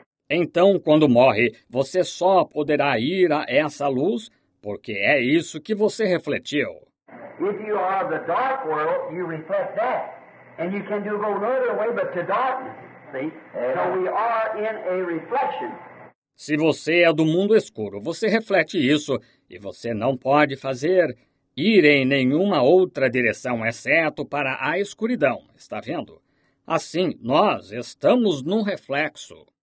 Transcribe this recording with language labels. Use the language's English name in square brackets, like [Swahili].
[Portuguese] Então, quando morre, você só poderá ir a essa luz, porque é isso que você refletiu. [English] If you are the dark world, you reflect that. And you can go no other way but to darkness. So we are in a reflection. [Portuguese] Se você é do mundo escuro, você reflete isso e você não pode fazer ir em nenhuma outra direção exceto para a escuridão. Está vendo? Assim, nós estamos num reflexo.